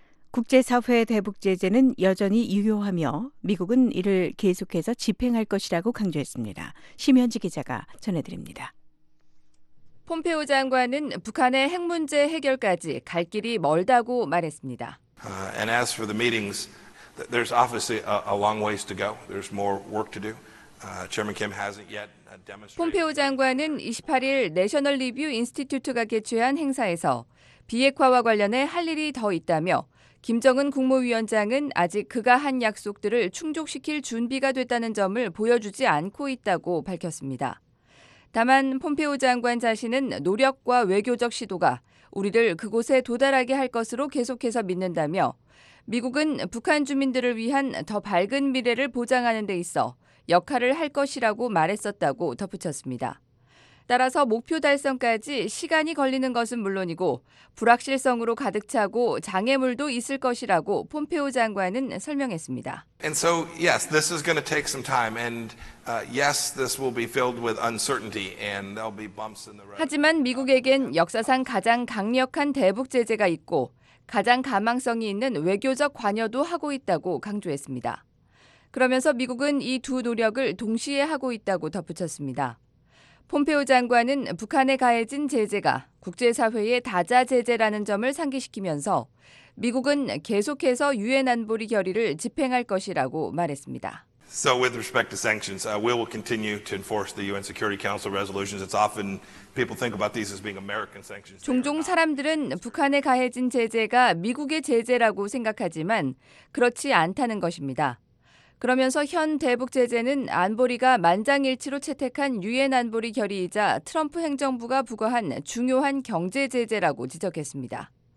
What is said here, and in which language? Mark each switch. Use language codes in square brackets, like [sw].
[ko] 국제사회의 대북 제재는 여전히 유효하며 미국은 이를 계속해서 집행할 것이라고 강조했습니다. 심현지 기자가 전해드립니다. 폼페오 장관은 북한의 핵 문제 해결까지 갈 길이 멀다고 말했습니다. [en] And as for the meetings, there's obviously a long ways to go. There's more work to do. Chairman Kim hasn't yet. [ko] 폼페오 장관은 28일 내셔널 리뷰 인스티튜트가 개최한 행사에서 비핵화와 관련해 할 일이 더 있다며 김정은 국무위원장은 아직 그가 한 약속들을 충족시킬 준비가 됐다는 점을 보여주지 않고 있다고 밝혔습니다. 다만 폼페오 장관 자신은 노력과 외교적 시도가 우리를 그곳에 도달하게 할 것으로 계속해서 믿는다며 미국은 북한 주민들을 위한 더 밝은 미래를 보장하는 데 있어 역할을 할 것이라고 말했었다고 덧붙였습니다. 따라서 목표 달성까지 시간이 걸리는 것은 물론이고 불확실성으로 가득 차고 장애물도 있을 것이라고 폼페오 장관은 설명했습니다. [en] And so yes, this is going to take some time and yes, this will be filled with uncertainty and there'll be bumps in the road. [ko] 하지만 미국에겐 역사상 가장 강력한 대북 제재가 있고 가장 가망성이 있는 외교적 관여도 하고 있다고 강조했습니다. 그러면서 미국은 이 두 노력을 동시에 하고 있다고 덧붙였습니다. 폼페오 장관은 북한에 가해진 제재가 국제사회의 다자 제재라는 점을 상기시키면서 미국은 계속해서 유엔 안보리 결의를 집행할 것이라고 말했습니다. [en] So with respect to sanctions, we will continue to enforce the UN Security Council resolutions. It's often people think about these as being American sanctions. [ko] 종종 사람들은 북한에 가해진 제재가 미국의 제재라고 생각하지만 그렇지 않다는 것입니다. 그러면서 현 대북 제재는 안보리가 만장일치로 채택한 유엔 안보리 결의이자 트럼프 행정부가 부과한 중요한 경제 제재라고 지적했습니다.